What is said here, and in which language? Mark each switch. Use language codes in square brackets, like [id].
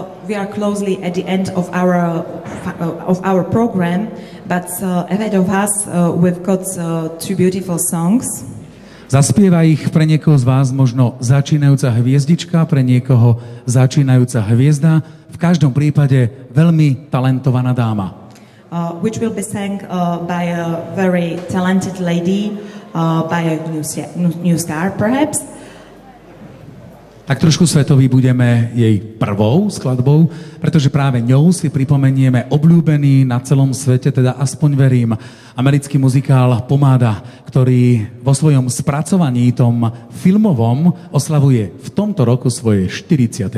[en] We are closely at the end of our program, but ahead of us we've got two beautiful songs. [sk] Zaspieva ich pre niekoho z vás možno začínajúca hviezdička, pre niekoho začínajúca hviezda, v každom prípade veľmi talentovaná dáma. [en] Which will be sang by a very talented lady, by a new star perhaps. [sk] Tak trošku svetový budeme jej prvou skladbou, pretože práve ňou si pripomenieme obľúbený na celom svete, teda aspoň verím, americký muzikál Pomáda, ktorý vo svojom spracovaní tom filmovom oslavuje v tomto roku svoje 40.